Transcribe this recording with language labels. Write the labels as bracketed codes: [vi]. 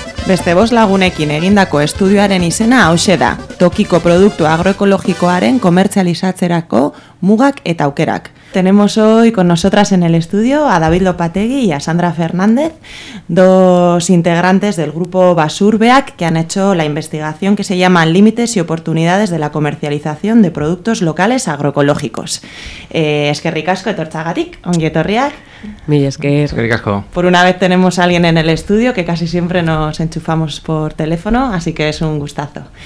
[eu] Beste bost lagunekin egindako estudioaren izena hauxe da, tokiko produktu agroekologikoaren komertzializatzerako mugak eta aukerak. [es] Tenemos hoy con nosotras en el estudio a David Lopategi y a Sandra Fernández, dos integrantes del grupo Basurbeak que han hecho la investigación que se llama Límites y oportunidades de la comercialización de productos locales agroecológicos. [eu] Eskerrik asko etortzagatik, ongi etorriak. Mil esker. Eskerrik asko. [es] Por una vez tenemos a alguien en el estudio que casi siempre nos enchufamos por teléfono, así que es un gustazo.